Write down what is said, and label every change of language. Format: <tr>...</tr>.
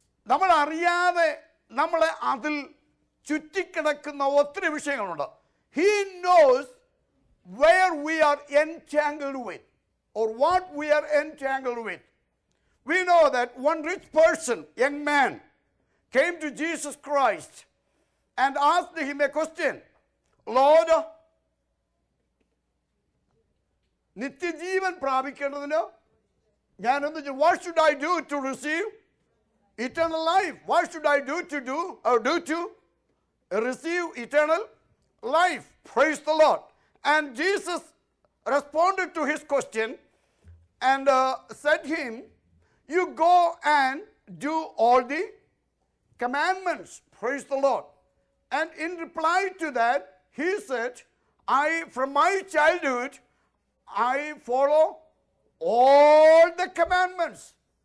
<ml>നമ്മൾ അറിയാതെ നമ്മളെ അതിൽ ചുറ്റിക്കിടക്കുന്ന ഒത്തിരി വിഷയങ്ങളുണ്ട്.</ml> <en>He knows where we are entangled with, or what we are entangled with. We know that one rich person, young man, came to Jesus Christ and asked him a question. Lord,</en> <ml>നിത്യജീവൻ പ്രാപിക്കേണ്ടതിന് ഞാനൊന്ന്</ml> <en>What should I do to receive eternal life? What should I do to receive eternal life. Praise the Lord. And Jesus responded to his question and said to him, you go and do all the commandments. Praise the Lord. And in reply to that, he said, From my childhood, I follow all the commandments.</en>